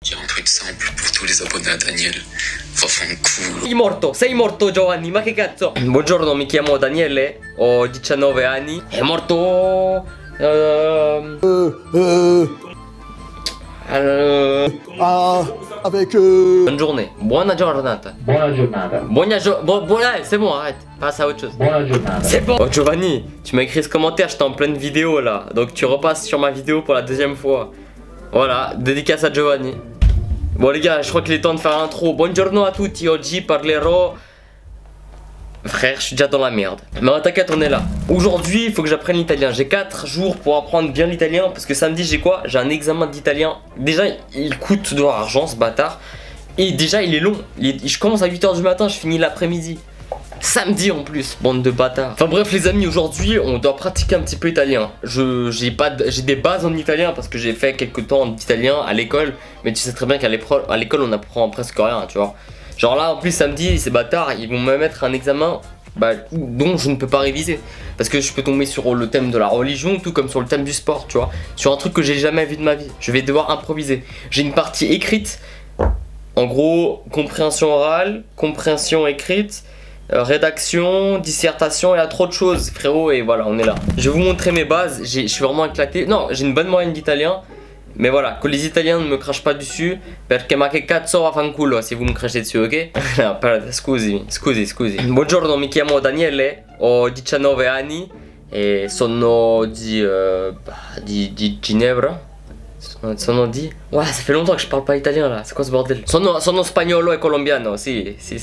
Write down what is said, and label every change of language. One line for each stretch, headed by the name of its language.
French: Il y a un truc simple pour tous les abonnés à Daniel.
Italian: Va fan culo. Sei morto Giovanni, ma che cazzo? Buongiorno, mi chiamo Daniele, ho 19 anni. È morto.
French: Avec
Italian: Buona giornata. Buona giornata.
French: C'est bon, arrête. Passe à autre chose.
Italian: Buona giornata.
French: C'est bon. Oh Giovanni, tu m'as écrit ce commentaire, j'étais en pleine vidéo là. Donc tu repasses sur ma vidéo pour la deuxième fois. Voilà, dédicace à Giovanni. Bon les gars, je crois qu'il est temps de faire l'intro.
Italian: Buongiorno a tutti, oggi parlerò.
French: Frère, je suis déjà dans la merde. Mais t'inquiète, on est là. Aujourd'hui, il faut que j'apprenne l'italien. J'ai 4 jours pour apprendre bien l'italien. Parce que samedi, j'ai quoi? J'ai un examen d'italien. Déjà, il coûte de l'argent, ce bâtard. Et déjà, il est long. Je commence à 8h du matin, je finis l'après-midi. Samedi en plus, bande de bâtards. Enfin bref les amis, aujourd'hui on doit pratiquer un petit peu italien. J'ai des bases en italien parce que j'ai fait quelques temps d'italien à l'école. Mais tu sais très bien qu'à l'école on apprend presque rien, tu vois. Genre là en plus samedi, ces bâtards ils vont me mettre un examen dont je ne peux pas réviser. Parce que je peux tomber sur le thème de la religion, tout comme sur le thème du sport, tu vois. Sur un truc que j'ai jamais vu de ma vie, je vais devoir improviser. J'ai une partie écrite. En gros, compréhension orale, compréhension écrite, rédaction, dissertation, il y a trop de choses frérot et voilà on est là. Je vais vous montrer mes bases, je suis vraiment éclaté. Non, j'ai une bonne moyenne d'italien. Mais voilà, que les italiens ne me crachent pas dessus.
Italian: Perché ma che cazzo va fanculo
French: si vous me crachez dessus,
Italian: ok? Scusi. Buongiorno, mi chiamo Daniele, ho 19 anni e sono di Ginevra. Sono di...
French: Ouais, ça fait longtemps que je parle pas italien là, c'est quoi ce bordel?
Italian: Sono spagnolo e colombiano, si.